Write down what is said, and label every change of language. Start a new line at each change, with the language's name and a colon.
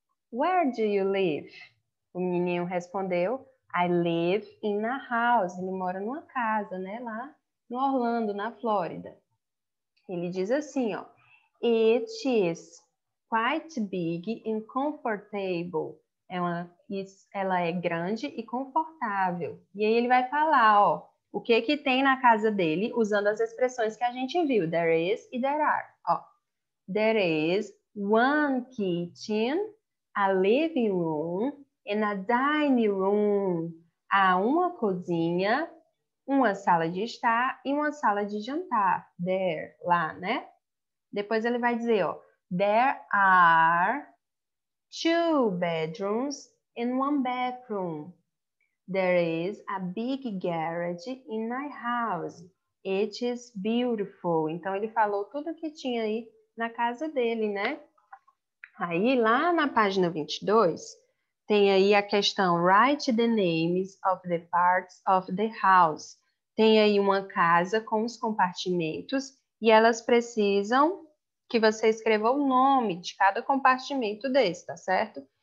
English: Where do you live?
Portuguese: O menino respondeu:
English: I live in a house.
Portuguese: Ele mora numa casa, né? Lá no Orlando, na Flórida. Ele diz assim, ó:
English: It is quite big and comfortable.
Portuguese: Ela é grande e confortável. E aí ele vai falar, ó, o que que tem na casa dele, usando as expressões que a gente viu, there is e there are.
English: Ó, there is one kitchen, a living room and a dining room.
Portuguese: Há uma cozinha, uma sala de estar e uma sala de jantar.
English: There,
Portuguese: lá, né? Depois ele vai dizer, ó,
English: there are two bedrooms and one bathroom. There is a big garage in my house. It is beautiful.
Portuguese: Então, ele falou tudo que tinha aí na casa dele, né? Aí, lá na página 22, tem aí a questão:
English: Write the names of the parts of the house.
Portuguese: Tem aí uma casa com os compartimentos e elas precisam que você escreva o nome de cada compartimento desse, tá certo?